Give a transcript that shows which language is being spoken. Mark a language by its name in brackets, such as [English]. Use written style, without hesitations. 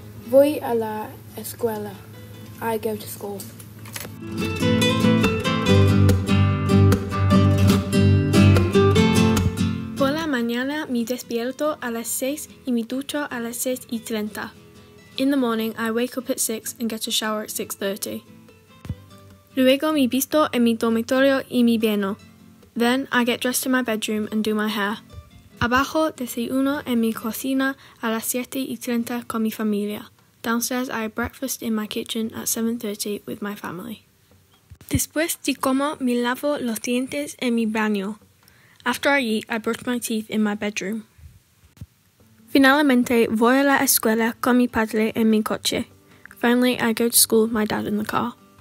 [Spanish] Voy a la escuela. [English] I go to school. [Spanish] Por la mañana me despierto a las 6 y me ducho a las 6 y 30. [English] In the morning, I wake up at 6 and get a shower at 6:30. [Spanish] Luego me visto en mi dormitorio y me baño. [English] Then I get dressed in my bedroom and do my hair. [Spanish] Abajo desayuno en mi cocina a las 7 y 30 con mi familia. [English] Downstairs I have breakfast in my kitchen at 7:30 with my family. [Spanish] Después de como me lavo los dientes en mi baño. [English] After I eat, I brush my teeth in my bedroom. [Spanish] Finalmente voy a la escuela con mi padre en mi coche. [English] Finally, I go to school with my dad in the car.